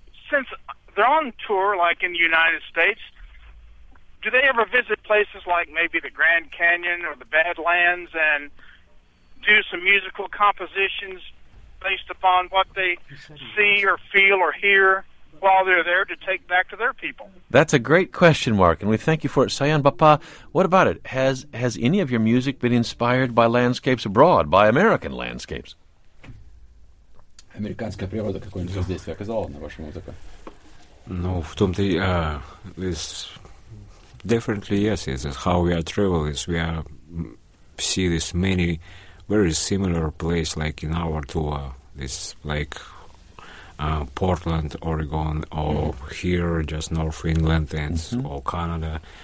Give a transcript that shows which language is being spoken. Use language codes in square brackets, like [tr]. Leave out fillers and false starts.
[en] Since they're on tour, like in the United States, do they ever visit places like maybe the Grand Canyon or the Badlands and do some musical compositions based upon what they see or feel or hear while they're there to take back to their people? That's a great question, Mark, and we thank you for it. Sayan Bapa, what about it? Has any of your music been inspired by landscapes abroad, by American landscapes? [ru] Американская природа какое-нибудь действие оказала на вашу музыку? Ну, в том-то [en] is definitely yes. Is how we are travel is we are see this many very similar place like in our tour. This like Portland, Oregon, or here, just North England, and or Canada.